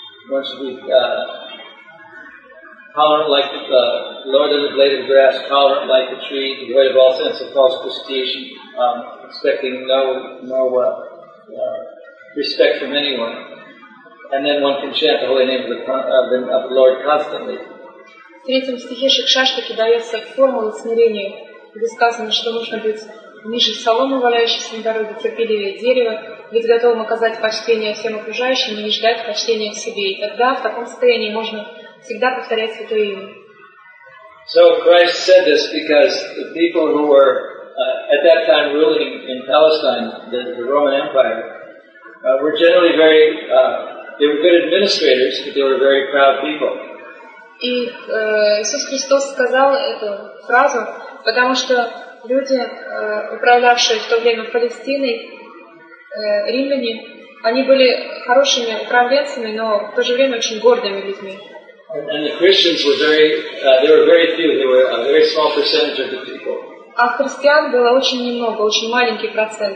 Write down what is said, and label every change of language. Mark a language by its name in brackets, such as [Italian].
[English] Once we, tolerant like the Lord of the blade of grass, tolerant like the tree, devoid of all sense of false prestige, expecting no respect from anyone. And then one can chant the holy name of the Lord constantly. [Russian] В третьем стихе Шикшаштаки дается формула смирения, где сказано, что нужно быть ниже соломы, валяющейся на дороге, терпеливее дерева, быть готовым оказать почтение всем окружающим и не ждать почтения в себе. И тогда в таком состоянии можно всегда повторять святое имя. [English] So Christ said this because the people who were at that time ruling in Palestine, the Roman Empire, were generally very, they were good administrators, but they were very proud people. [Russian] И Иисус Христос сказал эту фразу, потому что люди, управлявшие в то время Палестиной, римляне, они были хорошими управленцами, но в то же время очень гордыми людьми. [English] And the Christians were very, they were very few, they were a very small percentage of the people. [Russian] А христиан было очень немного, очень маленький процент.